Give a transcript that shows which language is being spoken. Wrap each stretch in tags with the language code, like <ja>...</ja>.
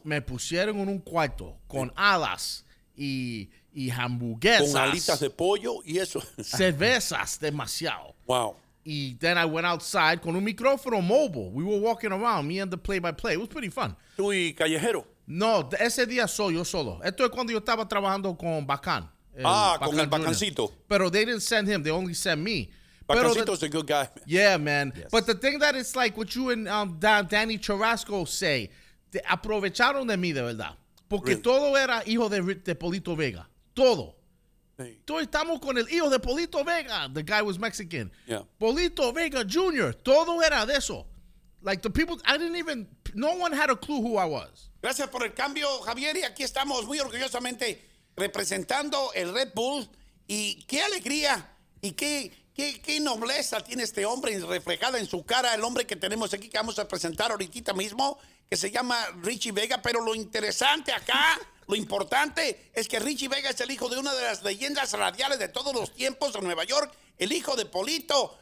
<es>Me pusieron en un cuarto con alas. Y hamburguesas. Con alitas de pollo y eso. Cervezas, demasiado. Wow.</es> <en>Y then I went outside</en> <es>con un micrófono</es> <en>mobile. We were walking around, me and the play-by-play. It was pretty fun.</en> <es>¿Tú y Callejero? No, ese día soy yo solo. Esto es cuando yo estaba trabajando con Bacán. Con el Bacancito. Junior. Pero</es> <en>they didn't send him, they only sent me. Bacancito's a good guy. Yeah, man. Yes. But the thing that it's like what you and Danny Churrasco say,</en> <es>aprovecharon de mí de verdad. Porque todo era hijo de Polito Vega. Todo. Hey. Todos estamos con el hijo de Polito Vega.</es> <en>The guy was Mexican. Yeah.</en> <es>Polito Vega Jr. Todo era de eso.</es> <en>Like the people, no one had a clue who I was.</en> <es>Gracias por el cambio, Javier. Y aquí estamos muy orgullosamente representando el Red Bull. Y qué alegría y qué nobleza tiene este hombre reflejada en su cara. El hombre que tenemos aquí que vamos a presentar ahorita mismo, que se llama Richie Vega, pero lo interesante acá, lo importante, es que Richie Vega es el hijo de una de las leyendas radiales de todos los tiempos en Nueva York, el hijo de Polito.</es>